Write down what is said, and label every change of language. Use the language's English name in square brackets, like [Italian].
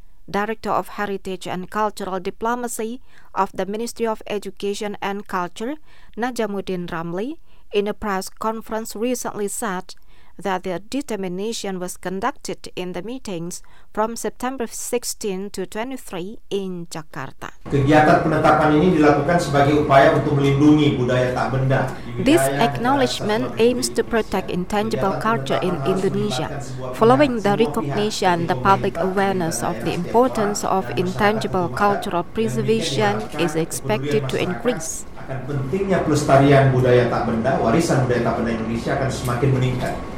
[English] Director of Heritage and Cultural Diplomacy of the Ministry of Education and Culture, Najamuddin Ramli, in a press conference recently said that the determination was conducted in the meetings from September 16 to 23 in Jakarta. [Indonesian] Kegiatan penetapan ini dilakukan sebagai upaya untuk melindungi budaya tak benda. [English] This acknowledgement aims to protect intangible culture in Indonesia. Following the recognition, the public awareness of the importance of intangible cultural preservation is expected to increase. [Indonesian] Pentingnya pelestarian budaya tak benda, warisan budaya tak benda Indonesia akan semakin meningkat.